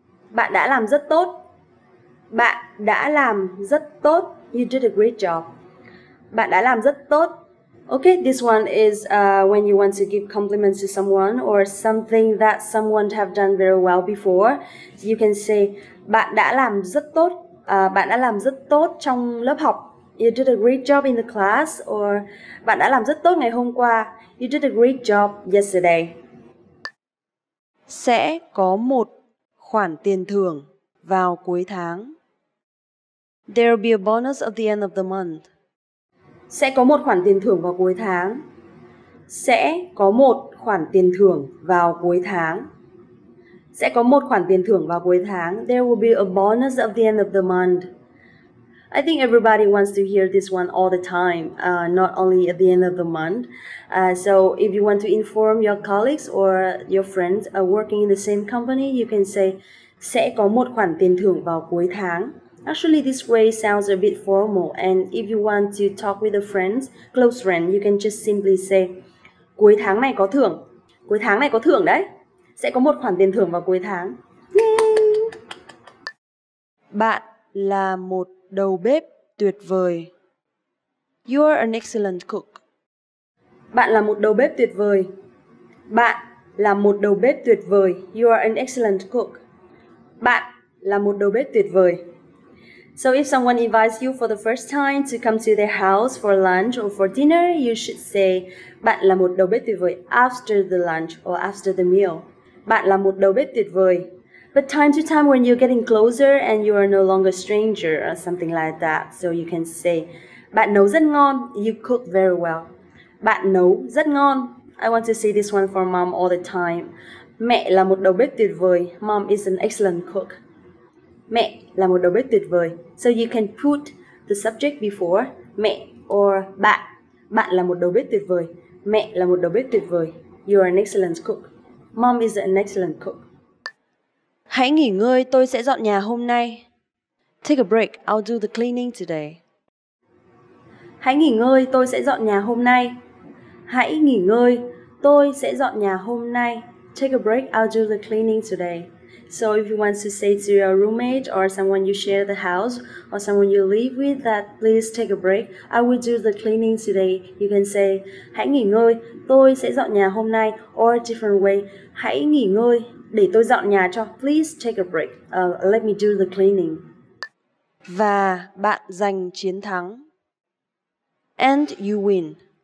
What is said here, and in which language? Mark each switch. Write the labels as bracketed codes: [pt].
[vi] Bạn đã làm rất tốt. Bạn đã làm rất tốt. [en] You did a great job. [vi] Bạn đã làm rất tốt. [en] Okay, this one is when you want to give compliments to someone or something that someone have done very well before. You can say [vi] bạn đã làm rất tốt. Bạn đã làm rất tốt trong lớp học. [en] You did a great job in the class. [vi] Or bạn đã làm rất tốt ngày hôm qua. [en] You did a great job yesterday. [vi] Sẽ có một khoản tiền thưởng vào cuối tháng. [en] There'll be a bonus at the end of the month. [vi] Sẽ có một khoản tiền thưởng vào cuối tháng. Sẽ có một khoản tiền thưởng vào cuối tháng. Sẽ có một khoản tiền thưởng vào cuối tháng. [en] There will be a bonus at the end of the month. I think everybody wants to hear this one all the time, not only at the end of the month. So if you want to inform your colleagues or your friends working in the same company, you can say, [vi] sẽ có một khoản tiền thưởng vào cuối tháng. [en] Actually, this way sounds a bit formal. And if you want to talk with a friend, close friend, you can just simply say, [vi] cuối tháng này có thưởng. Cuối tháng này có thưởng đấy. Sẽ có một khoản tiền thưởng vào cuối tháng. Yay! Bạn là một đầu bếp tuyệt vời. [en] You are an excellent cook. [vi] Bạn là một đầu bếp tuyệt vời. Bạn là một đầu bếp tuyệt vời. [en] You are an excellent cook. [vi] Bạn là một đầu bếp tuyệt vời. [en] So if someone invites you for the first time to come to their house for lunch or for dinner, you should say [vi] bạn là một đầu bếp tuyệt vời [en] after the lunch or after the meal. [vi] Bạn là một đầu bếp tuyệt vời. [en] But time to time when you're getting closer and you are no longer a stranger or something like that, so you can say, [vi] bạn nấu rất ngon, [en] you cook very well. [vi] Bạn nấu rất ngon. [en] I want to say this one for mom all the time. [vi] Mẹ là một đầu bếp tuyệt vời. [en] Mom is an excellent cook. [vi] Mẹ là một đầu bếp tuyệt vời. [en] So you can put the subject before mẹ or bạn. [vi] Bạn là một đầu bếp tuyệt vời. Mẹ là một đầu bếp tuyệt vời. [en] You are an excellent cook. Mom is an excellent cook. [vi] Hãy nghỉ ngơi, tôi sẽ dọn nhà hôm nay. [en] Take a break, I'll do the cleaning today. [vi] Hãy nghỉ ngơi, tôi sẽ dọn nhà hôm nay. Hãy nghỉ ngơi, tôi sẽ dọn nhà hôm nay. [en] Take a break, I'll do the cleaning today. So if you want to say to your roommate or someone you share the house or someone you live with that please take a break, I will do the cleaning today. You can say, [vi] hãy nghỉ ngơi, tôi sẽ dọn nhà hôm nay. [en] Or a different way, [vi] hãy nghỉ ngơi. Để tôi dọn nhà cho. [en] Please take a break. Let me do the cleaning. [vi] Và bạn giành chiến thắng. [en] And you win.